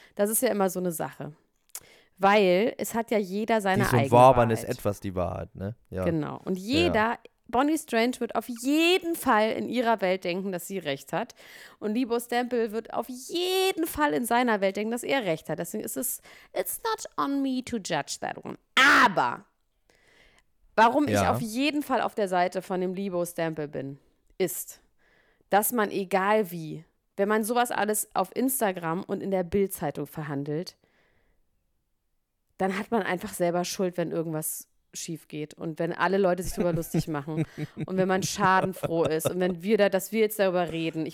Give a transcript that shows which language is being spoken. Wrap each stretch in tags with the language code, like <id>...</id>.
<de>Das ist ja immer so eine Sache. Weil es hat ja jeder seine eigene Wahrheit. Die Wahrheit ist etwas die Wahrheit, ne? Ja. Genau. Und jeder... Ja. Bonnie Strange wird auf jeden Fall in ihrer Welt denken, dass sie recht hat. Und Libo Stempel wird auf jeden Fall in seiner Welt denken, dass er recht hat. Deswegen ist es,</de> <en>it's not on me to judge that one.</en> <de>Aber warum ich auf jeden Fall auf der Seite von dem Libo Stempel bin, ist, dass man egal wie, wenn man sowas alles auf Instagram und in der Bild-Zeitung verhandelt, dann hat man einfach selber Schuld, wenn irgendwas schief geht und wenn alle Leute sich darüber lustig machen und wenn man schadenfroh ist und wenn wir da, dass wir jetzt darüber reden.</de>